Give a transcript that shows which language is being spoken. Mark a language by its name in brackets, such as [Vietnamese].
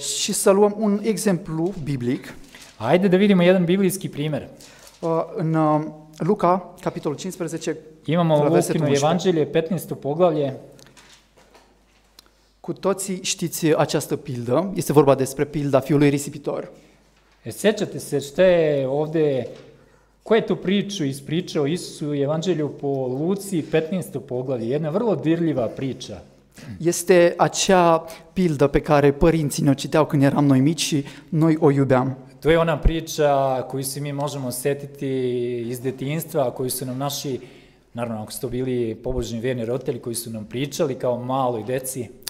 [Romanian] Și să luăm un exemplu biblic. [Serbian] Haide da vidimo jedan biblijski primer. [Romanian] În Luca, capitolul 15, [Serbian] imamo Lukino evanđelje, 15. poglavlje. [Romanian] Cu toții știți această pildă, este vorba despre pilda fiului risipitor. [Serbian] Sećate se šta je ovde, ko je tu priču ispričao Isusu u Evanđelju po Luci 15. poglavlje, jedna vrlo dirljiva priča. [Romanian] Este acea pildă pe care părinții ne-o citeau când eram noi mici și noi o iubeam. [Serbian] To je ona priča koju se mi možemo setiti iz detinjstva, koju su nam naši, naravno ako su to bili pobožni verni roditelji, koji su nam pričali kao maloj deci.